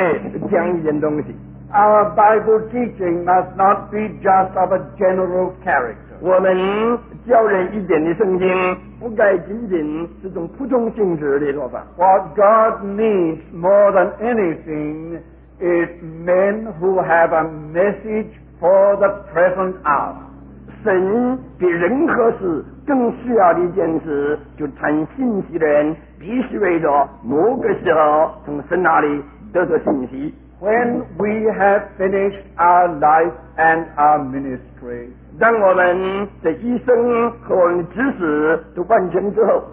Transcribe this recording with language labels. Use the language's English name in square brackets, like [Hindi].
[English] Our Bible teaching must not be just of a general character. What God needs more than anything is men who have a message for the present hour. [Chinese] 神比任何事更需要的一件事就传信息的人必须为着某个时候从神那里得到信息。 [English] When we have finished our life and our ministry, [Chinese] 当我们的一生和我们的职事都完成之后,